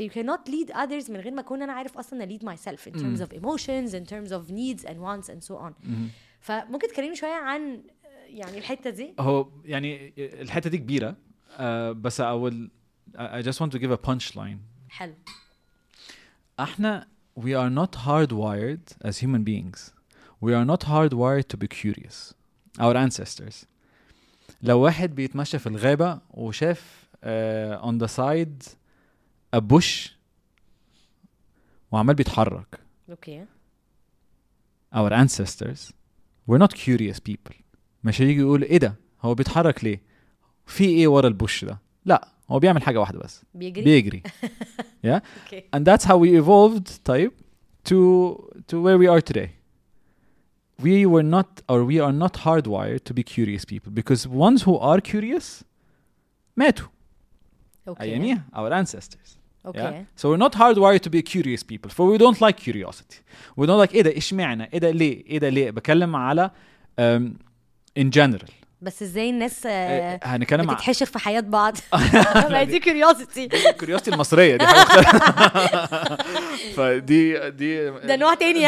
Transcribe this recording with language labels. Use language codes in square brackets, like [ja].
[en] You cannot lead others [ar] من غير ما كون أنا عارف أصلاً [en] lead myself in terms of emotions, in terms of needs and wants and so on. [ar] فممكن تكلمني شوية عن يعني الحتة دي؟ هو يعني الحتة دي كبيرة بس أول [en] I just want to give a punchline. [ar] حلو. [en] احنا we are not hardwired as human beings. We are not hardwired to be curious. Our ancestors. [ar] لو واحد بيتمشى في الغابة وشاف [en] on the side a bush [ar] وعمل بيتحرك [en] okay. our ancestors were not curious people. [ar] مش هيجي يقول ايه ده هو بيتحرك ليه، في ايه ورا البوش ده، لا هو بيعمل حاجة واحدة بس بيجري. [en] yeah okay. and that's how we evolved to where we are today. We are not hardwired to be curious people because ones who are curious ماتوا. okay. أياميها, our ancestors. Okay. Yeah? So we're not hardwired to be curious people, for we don't like curiosity. We don't like, [ar] إيه ده إيش معنى؟ إيه ده ليه؟ إيه ده ليه؟ بكلم على [en] in general. [ar] بس ازاي الناس بتتحشر في حياه بعض دي كيوريوسيتي كيوريوسيتي المصريه دي حاجه فدي دي ده نوع تاني